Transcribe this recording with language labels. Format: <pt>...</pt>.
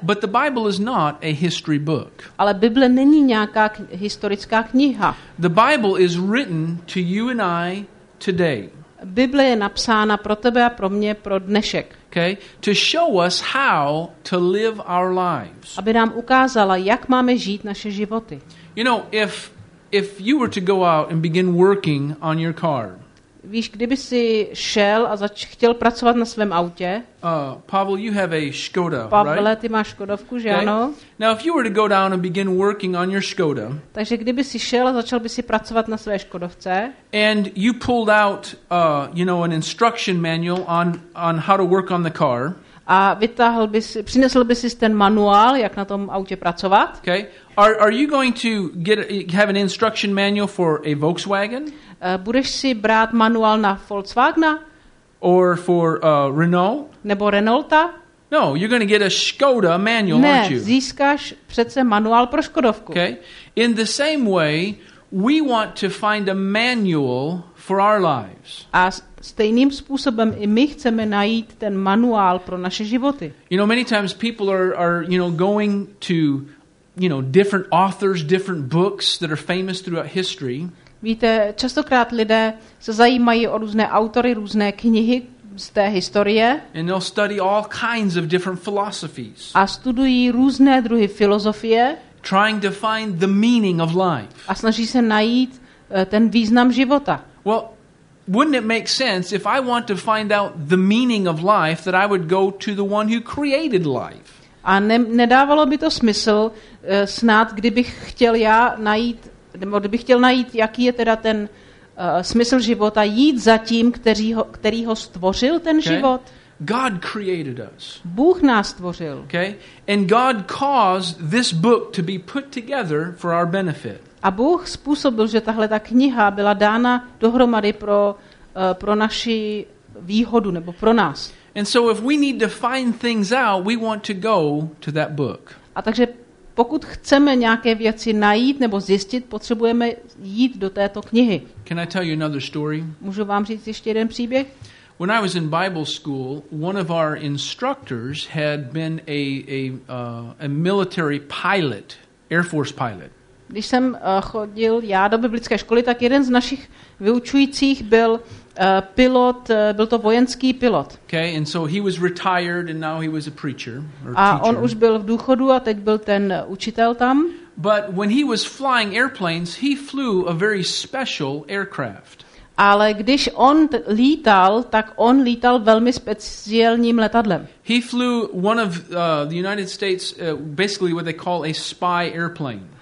<en>But the Bible is not a history book.</en> <cs>Ale Bible není nějaká historická kniha.</cs> <en>The Bible is written to you and I today.</en> <cs>Bible je napsána pro tebe a pro mě pro dnešek.</cs> <en>Okay, to show us how to live our lives.</en> <cs>Aby nám ukázala, jak máme žít naše životy.</cs> <en>You know, if you were to go out and begin working on your car.</en> <cs>Víš, kdyby si šel a chtěl pracovat na svém autě?</cs> <en>Pavel, you have a Škoda,</en> <cs>Pavle,</cs> <en>right?</en> <cs>Pavle, ty máš Škodovku, že okay. Ano?</cs> <en>Now if you were to go down and begin working on your Škoda.</en> <cs>Takže kdyby si šel a začal by si pracovat na své Škodovce?</cs> <en>And you pulled out, an instruction manual on how to work on the car.</en> <cs>a vytáhl bys, přinesl bys si ten manuál, jak na tom autě pracovat.</cs> <en>Okay. Are you going to get have an instruction manual for a Volkswagen?</en> <cs>Budeš si brát manuál na Volkswagena?</cs> <en>Or for Renault?</en> <cs>Nebo Renaulta?</cs> <en>No, you're going to get a Skoda manual,</en> <cs>ne,</cs> <en>aren't you?</en> <cs>Ne, získáš přece manuál pro Škodovku.</cs> <en>Okay. In the same way, we want to find a manual for our lives.</en> <cs>A stejným způsobem i my chceme najít ten manuál pro naše životy.</cs> <en>You know, many times people are you know going to you know different authors, different books that are famous throughout history.</en> <cs>Víte, častokrát lidé se zajímají o různé autory, různé knihy z té historie.</cs> <en>And they'll study all kinds of different philosophies.</en> <cs>A studují různé druhy filozofie.</cs> <en>Trying to find the meaning of life.</en> <cs>A snaží se najít ten význam života.</cs> <en>Well, wouldn't it make sense if I want to find out the meaning of life that I would go to the one who created life?</en> <cs>A nedávalo by to smysl snad, kdybych chtěl já najít, nebo kdybych chtěl najít, jaký je teda ten smysl života, jít za tím, který ho stvořil ten</cs> <en>okay.</en> <cs>život.</cs> <en>God created us.</en> <cs>Bůh nás stvořil.</cs> <en>Okay? And God caused this book to be put together for our benefit.</en> <cs>A Bůh způsobil, že tahle ta kniha byla dána dohromady pro naši výhodu nebo pro nás.</cs> <en>And so if we need to find things out, we want to go to that book.</en> <cs>A takže pokud chceme nějaké věci najít nebo zjistit, potřebujeme jít do této knihy.</cs> <en>Can I tell you another story?</en> <cs>Můžu vám říct ještě jeden příběh?</cs> <en>When I was in Bible school, one of our instructors had been a military pilot, Air Force pilot.</en> <cs>Když jsem chodil já do biblické školy, tak jeden z našich vyučujících byl pilot, byl to vojenský pilot.</cs> <en>Okay, and so he was retired and now he was a preacher or teacher.</en> <cs>A on už byl v důchodu a teď byl ten učitel tam.</cs> <en>But when he was flying airplanes, he flew a very special aircraft.</en> <cs>Ale když on lítal, tak on lítal velmi speciálním letadlem.</cs> <en>He flew one of the United States basically what they call a spy airplane.</en>